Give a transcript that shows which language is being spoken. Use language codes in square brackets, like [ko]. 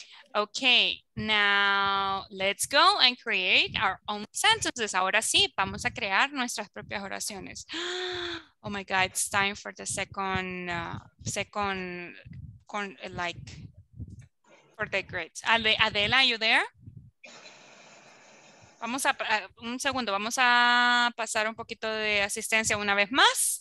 [en] Okay, now let's go and create our own sentences. [es] Ahora sí, vamos a crear nuestras propias oraciones. [en] Oh my God, it's time for the for the grids. Adela, are you there? [es] Vamos a, un segundo, vamos a pasar un poquito de asistencia una vez más.